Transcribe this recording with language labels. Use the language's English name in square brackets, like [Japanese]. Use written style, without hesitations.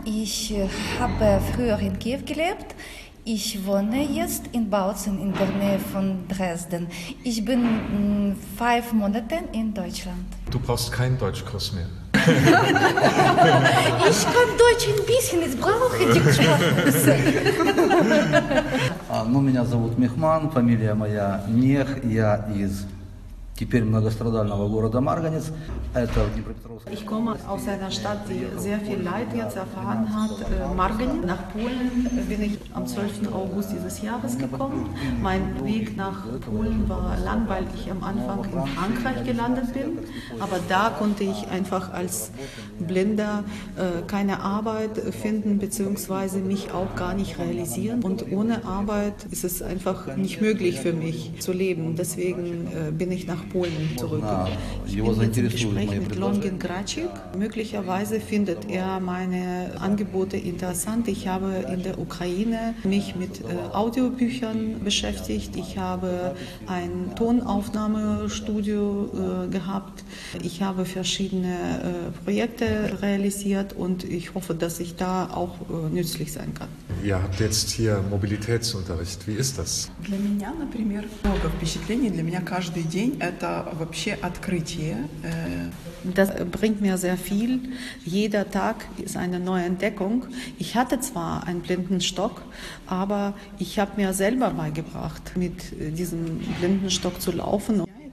[German] Ich habe früher in Kiew gelebt. Ich wohne jetzt in Bautzen in der Nähe von Dresden. Ich bin 5 Monate in Deutschland. Du brauchst keinen Deutschkurs mehr. Ich kann Deutsch ein bisschen, ich brauche die Sprache. [Russian] Ну, меня зовут Мехман, фамилия моя Мех, я из теперь многострадального города Марганец. Это в Днепропетровске. [German] Ich komme aus einer Stadt, die sehr viel Leid jetzt erfahren hat, Marganec. Nach Polen bin ich am 12. August dieses Jahres gekommen. Mein Weg nach Polen war lang, weil ich am Anfang in Frankreich gelandet bin. Aber da konnte ich einfach als Blinder keine Arbeit finden bzw. mich auch gar nicht realisieren. Und ohne Arbeit ist es einfach nicht möglich für mich zu leben. Deswegen bin ich nach Polen zurück. Ich spreche mit Longin Gracik. Möglicherweise findet er meine Angebote interessant. Ich habe in der Ukraine mich mit Audiobüchern beschäftigt. Ich habe ein Tonaufnahmestudio gehabt. Ich habe verschiedene Projekte realisiert und ich hoffe, dass ich da auch nützlich sein kann. Ihr habt jetzt hier Mobilitätsunterricht. Wie ist das? [Russian] Для меня, например, много впечатлений. Для меня каждый день это вообще открытие. [German] Das bringt mir sehr viel. Jeder Tag ist eine neue Entdeckung. Ich hatte zwar einen Blindenstock, aber ich habe mir selber beigebracht, mit diesem Blindenstock zu laufen.